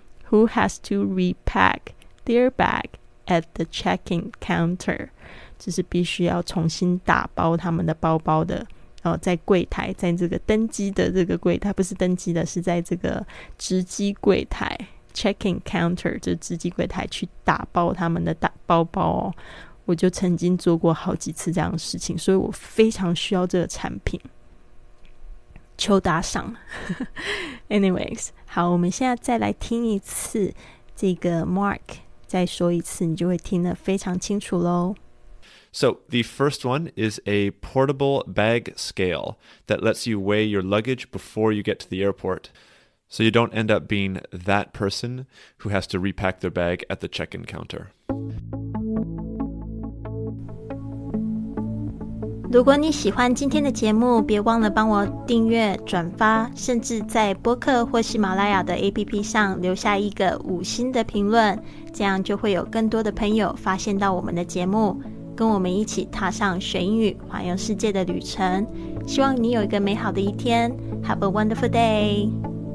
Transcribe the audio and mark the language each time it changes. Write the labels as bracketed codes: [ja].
[en] Who has to repack their bag at the check-in counter [zh] 就是必须要重新打包他们的包包的、在柜台在这个登机的这个柜台不是登机的是在这个值机柜台 check-in counter 就值机柜台去打包他们的包包、哦、我就曾经做过好几次这样的事情所以我非常需要这个产品求打赏anyways 好我们现在再来听一次这个 Mark 再说一次你就会听得非常清楚咯 [en] So, the first one is a portable bag scale that lets you weigh your luggage before you get to the airport, so you don't end up being that person who has to repack their bag at the check-in counter. [zh] 如果你喜欢今天的节目，别忘了帮我订阅、转发，甚至在播客或喜马拉雅的 APP 上留下一个五星的评论，这样就会有更多的朋友发现到我们的节目。跟我们一起踏上学英语环游世界的旅程希望你有一个美好的一天 [en] Have a wonderful day